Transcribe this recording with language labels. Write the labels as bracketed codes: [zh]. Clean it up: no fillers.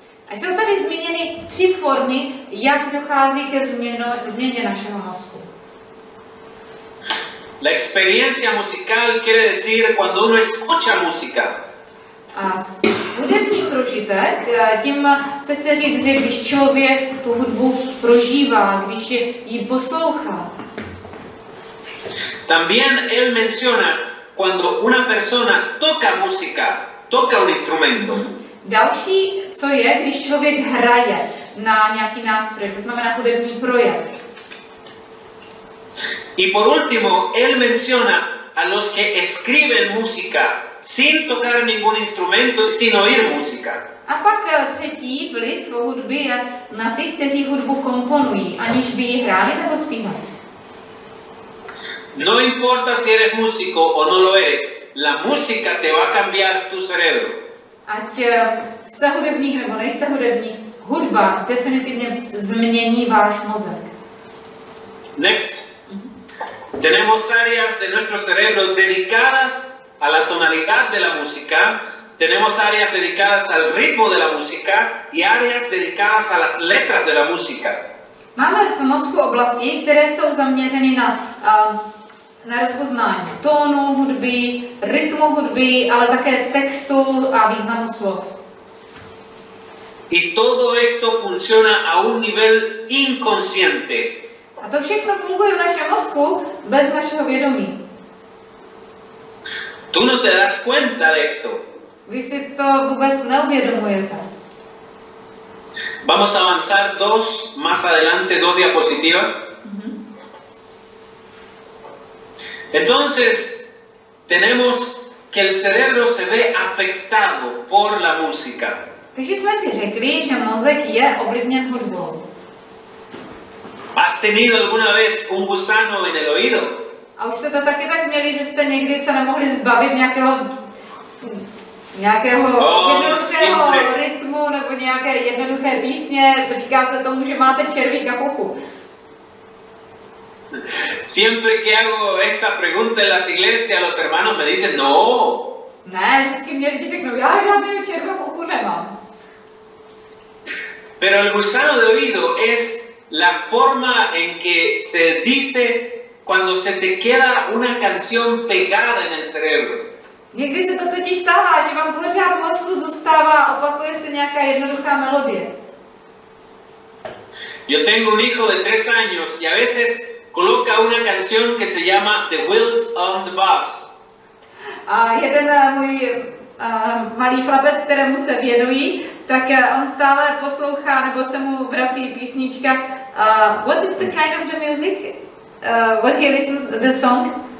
[cs] A jsou tady zmíněny tři formy, jak dochází ke změně našeho mozku. [es] La experiencia musical quiere decir cuando uno escucha música. [cs] A hudební prožitek, tím se chce říct, že když člověk tu hudbu prožívá, když ji poslouchá. [es] También él menciona cuando una persona toca música, toca un instrumento. [cs] Další, co je, když člověk hraje na nějaký nástroj, to znamená hudební projev. [es] Y por último, él menciona a los que escriben música sin tocar ningún instrumento, sin oír música. [cs] A pak třetí vliv hudby je na ty, kteří hudbu komponují, aniž by ji hráli nebo zpívali. [es] No importa si eres músico o no lo eres, la música te va a cambiar tu cerebro. [cs] Ať jste hudebník nebo nejste hudebník, hudba definitivně změní váš mozek. [en] Next. [es] Tenemos áreas de nuestro cerebro dedicadas a la tonalidad de la música, tenemos áreas dedicadas al ritmo de la música y áreas dedicadas a las letras de la música. [cs] Máme v mozku oblasti, které jsou zaměřeny na rozpoznání tónu hudby, rytmu hudby, ale také textu a významu slov. [es] Y todo esto funciona a un nivel inconsciente. [cs] A to všechno funguje v našem mozku bez našeho vědomí. [es] Tú no te das cuenta de esto. Vy si to vůbec neuvědomujete. Vamos a avanzar dos, más adelante, dos diapositivas. Entonces, tenemos que el cerebro se ve afectado por la música. [cs] Takže jsme si řekli, že mozek je ovlivněn hudbou. [es] ¿Has tenido alguna vez un gusano en el oído? [cs] A už jste to taky tak měli, že jste někdy se nemohli zbavit nějakého jednoduchého rytmu nebo nějaké jednoduché písně. Říká se tomu, že máte červíka v uchu. [es] Siempre que hago esta pregunta en las iglesias, los hermanos me dicen no. [cs] Ne, vždycky mě lidi řeknou, já žádného červa v uchu nemám. [es] Pero el gusano de oído es la forma en que se dice cuando se te queda una canción pegada en el cerebro. [cs] Někdy se to totiž stává, že vám pořád v mozku zůstává, opakuje se nějaká jednoduchá melodie. [es] Yo tengo un hijo de 3 años y a veces coloca una canción que se llama The Wheels on the Bus. [cs] A jeden můj malý chlapec, kterému se věnují, tak on stále poslouchá, nebo se mu vrací písnička. [en] What is the kind of the music? When he listens to the song?